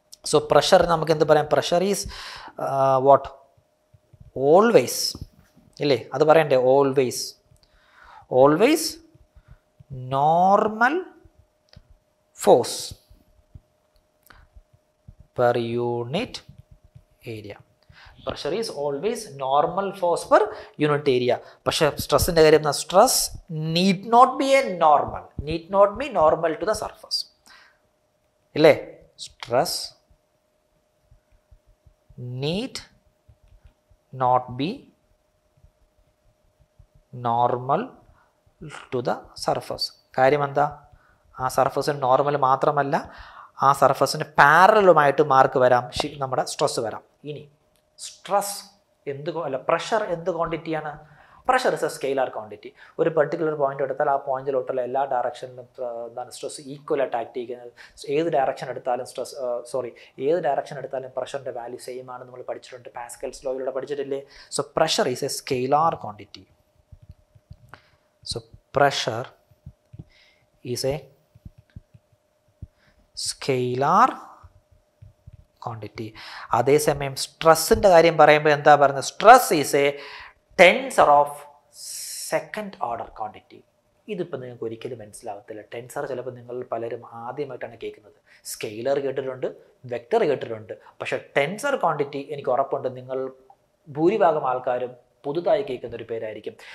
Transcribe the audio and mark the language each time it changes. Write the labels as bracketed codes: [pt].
[en] so [ml] പ്രഷറിന് നമുക്ക് എന്ത് പറയാം, [en] pressure is what, always [ml] ഇല്ലേ, അത് പറയണ്ടേ, [en] Always always normal force per unit area. pressure is always normal force per unit area. Pressure stress in the area, stress need not be a normal, need not be normal to the surface. Ille? Stress need not be normal to the surface. [ml] കാര്യമെന്താ? ആ സർഫസിന് normal മാത്രമല്ല, ആ സർഫസിന് പാരലലുമായിട്ട് mark വരാം, നമ്മുടെ stress വരാം. ഇനി stress എന്ത്, അല്ല pressure എന്ത് ക്വാണ്ടിറ്റിയാണ്? [en] Pressure is a scalar quantity. [ml] ഒരു പെർട്ടിക്കുലർ പോയിന്റ് എടുത്താൽ ആ പോയിന്റിലോട്ടുള്ള എല്ലാ ഡയറക്ഷനിലും എന്താണ് സ്ട്രെസ് ഈക്വലായിട്ട് ആക്ട് ചെയ്യുന്നത്. ഏത് ഡയറക്ഷൻ എടുത്താലും സ്ട്രെസ്, സോറി, ഏത് ഡയറക്ഷൻ എടുത്താലും പ്രഷറിൻ്റെ വാല്യൂ സെയിം ആണ്. നമ്മൾ പഠിച്ചിട്ടുണ്ട്, Pascal's ലോയിലൂടെ പഠിച്ചിട്ടില്ലേ? [en] So pressure is a scalar quantity. So pressure is a scalar quantity. [ml] അതേ സമയം സ്ട്രെസ്സിൻ്റെ കാര്യം പറയുമ്പോൾ എന്താ പറയുന്നത്? [en] Stress is a tensor of second order quantity. [ml] ഇതിപ്പോൾ നിങ്ങൾക്ക് ഒരിക്കലും മനസ്സിലാകത്തില്ല. ടെൻസർ ചിലപ്പോൾ നിങ്ങൾ പലരും ആദ്യമായിട്ടാണ് കേൾക്കുന്നത്. സ്കെയിലർ കേട്ടിട്ടുണ്ട്, വെക്ടർ കേട്ടിട്ടുണ്ട്, പക്ഷേ ടെൻസർ ക്വാണ്ടിറ്റി എനിക്ക് ഉറപ്പുണ്ട് നിങ്ങൾ ഭൂരിഭാഗം ആൾക്കാരും പുതുതായി കേൾക്കുന്ന ഒരു പേരായിരിക്കും.